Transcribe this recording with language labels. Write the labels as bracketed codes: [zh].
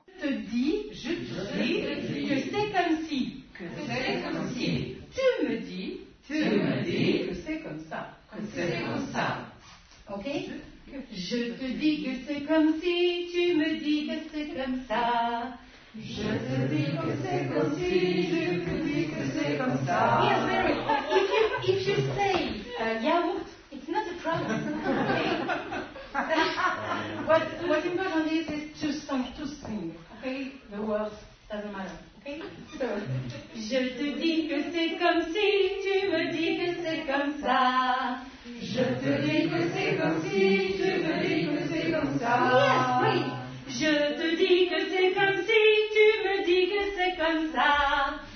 [fr] Je te dis que c'est comme si, tu me dis que c'est comme ça. Je te dis que c'est comme si, je te dis que c'est comme ça. [en] Yes, very. If you say yaourt, it's not a problem. Okay. What important is to sing, to sing. Okay, the words doesn't matter. Okay. So, [fr] je te dis que c'est comme si, tu me dis que c'est comme ça. Je te dis que c'est comme si, tu me dis que c'est comme ça. [en] Yes, oui. [fr] Je te dis que c'est comme si, tu me dis que c'est comme ça.